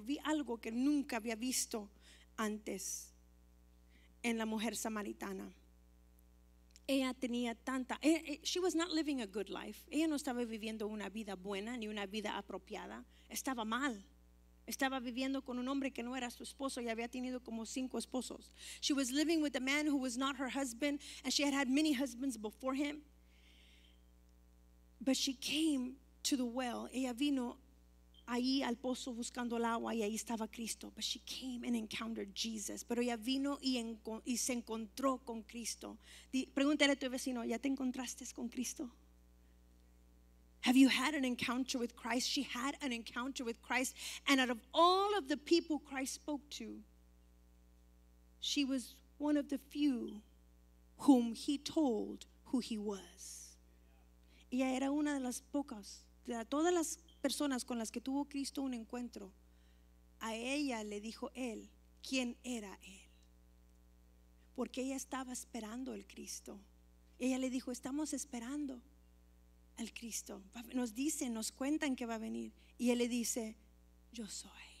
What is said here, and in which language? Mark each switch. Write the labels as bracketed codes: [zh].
[es] Vi algo que nunca había visto antes en la mujer samaritana. Ella tenía tanta, [en] she was not living a good life. [es] Ella no estaba viviendo una vida buena ni una vida apropiada. Estaba mal. Estaba viviendo con un hombre que no era su esposo y había tenido como 5 esposos. [en] She was living with a man who was not her husband, and she had had many husbands before him. But she came to the well. [es] Ella vino ahí al pozo buscando el agua y ahí estaba Cristo. [en] But she came and encountered Jesus. [es] Pero ella vino y se encontró con Cristo. Pregúntale a tu vecino, ¿ya te encontraste con Cristo? [en] Have you had an encounter with Christ? She had an encounter with Christ. And out of all of the people Christ spoke to, she was one of the few whom he told who he was. [es] Ella era una de las pocas, de todas las personas con las que tuvo Cristo un encuentro, a ella le dijo él quién era él, porque ella estaba esperando el Cristo. Ella le dijo, estamos esperando al Cristo, nos dicen, nos cuentan que va a venir, y él le dice, yo soy.